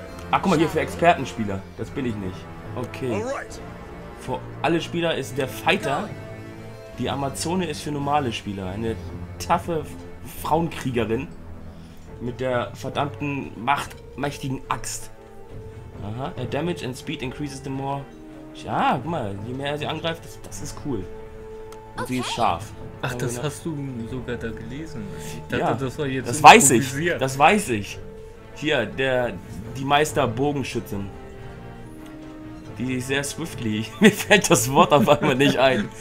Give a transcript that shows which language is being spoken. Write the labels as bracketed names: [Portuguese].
[German] Ach, guck mal, hier für Expertenspieler. Das bin ich nicht. Okay. Für alle Spieler ist der Fighter. Die Amazone ist für normale Spieler, eine taffe Frauenkriegerin mit der verdammten mächtigen Axt. [English] Aha, her damage and speed increases the more. [German] Ja, guck mal, je mehr er sie angreift, das ist cool. Und sie ist scharf. Ach, das hast du sogar da gelesen. Ich dachte, ja, das war jetzt. Das weiß ich. Das weiß ich. Hier, die Meisterbogenschützin. Die ist sehr swiftly. Mir fällt das Wort auf einmal nicht ein.